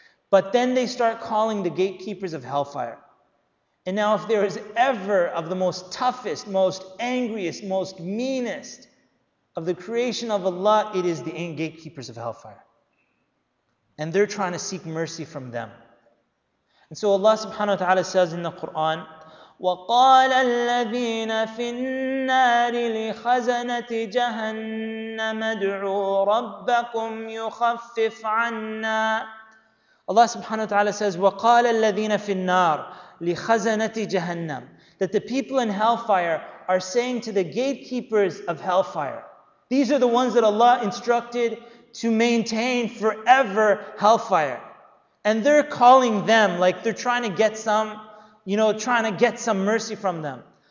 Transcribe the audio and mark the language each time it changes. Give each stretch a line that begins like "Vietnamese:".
English: But then they start calling the gatekeepers of hellfire. And now if there is ever of the most toughest, most angriest, most meanest of the creation of Allah, it is the gatekeepers of hellfire. And they're trying to seek mercy from them. And so Allah subhanahu wa ta'ala says in the Quran,
Arabic: وقال الذين في النار لخزنة جهنم ادعوا ربكم يخفف عنا.
English: Allah subhanahu wa ta'ala says,
Arabic: وقال الذين في النار لخزنة جهنم.
English: That the people in hellfire are saying to the gatekeepers of hellfire, these are the ones that Allah instructed to maintain forever hellfire. And they're calling them like they're trying to get some, you know, trying to get some mercy from them.